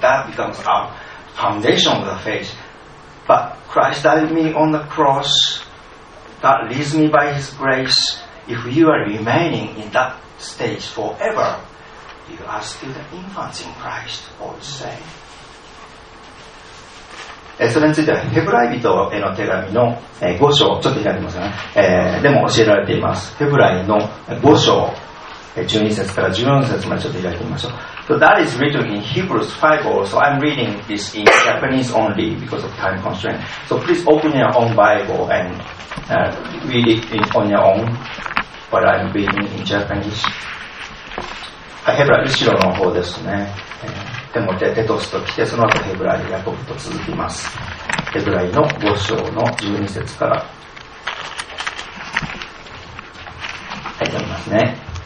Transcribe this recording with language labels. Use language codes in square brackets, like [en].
[en] That becomes our foundation of the faith. But Christ died me on the cross. God leads me by His grace. If you are remaining in that stage forever, you are still the infant in Christ, Paul is saying. [ja] それについてはヘブライ人への手紙の5章、ちょっと開きますね。でも教えられています。ヘブライの5章、12節から14節までちょっと開いてみましょう。 [en] So that is written in Hebrews 5 also. I'm reading this in Japanese only because of time constraint. So please open your own Bible and read it on your own. But I'm reading in Japanese. [ja] ヘブライ後ろの方ですね。手も手、テトスと来て、その後ヘブライヤコブと続きます。ヘブライの5章の12節から。はい、読みますね。